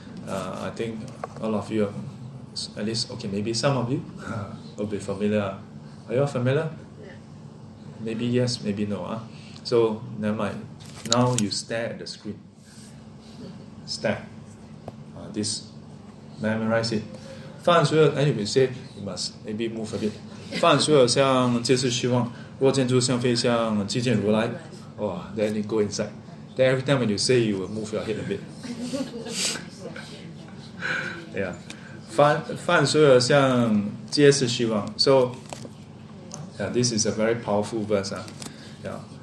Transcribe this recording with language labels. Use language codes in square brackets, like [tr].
[en] I think all of you, at least, okay, maybe some of you will be familiar. Are you all familiar? Maybe yes, maybe no. So, never mind. Now you stare at the screen. Stare. This, memorize it. [zh] 凡所有, [en] anyway, you say, you must maybe move a bit. [zh] 凡所有相皆是虚妄，若见诸相非相，即见如来。 [en] Oh, then you go inside. Then every time when you say, you will move your head a bit. [zh] Yeah. 凡所有相皆是虚妄. [en] So, yeah, this is a very powerful verse. Yeah.